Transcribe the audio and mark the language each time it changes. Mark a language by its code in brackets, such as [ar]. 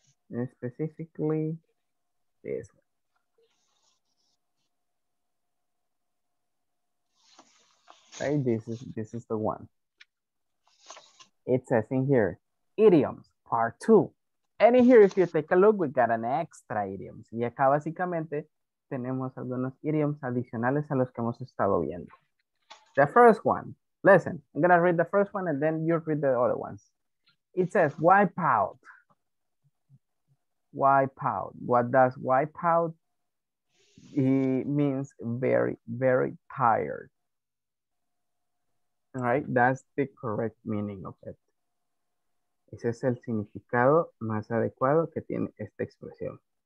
[en] And specifically, this one. Right? This is the one. It says in here, idioms, part two. And in here, if you take a look, we got an extra idioms. [es] Y acá básicamente tenemos algunos idioms adicionales a los que hemos estado viendo. [en] The first one, listen, I'm gonna read the first one and then you read the other ones. It says wipe out. Wipe out. What does wipe out? It means very, very tired. All right, that's the correct meaning of it. [es] Ese es el significado más adecuado que tiene esta expresión.